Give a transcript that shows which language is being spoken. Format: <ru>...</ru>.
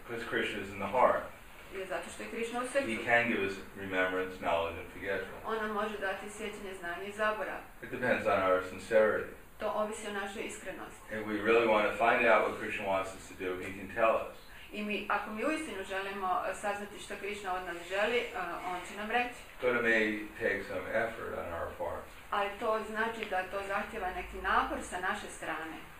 <en>Because Krishna is in the heart.</en> <hr>je zato što je Krišna u srcu.</hr> <en>He can give us remembrance, knowledge and forgetfulness.</en> <hr>On nam može dati sjećanje, znanje i zaborav.</hr> <en>It depends on our sincerity.</en> <hr>To ovisi o našoj iskrenosti.</hr> <en>If we really want to find out what Krishna wants us to do, he can tell us.</en> <hr>I mi, ako mi uistinu želimo saznati što Krišna od nas želi, on će nam reći.</hr> <en>But it may take some effort on our part.</en> <hr>Ali to znači da to zahtjeva neki napor sa naše strane.</hr>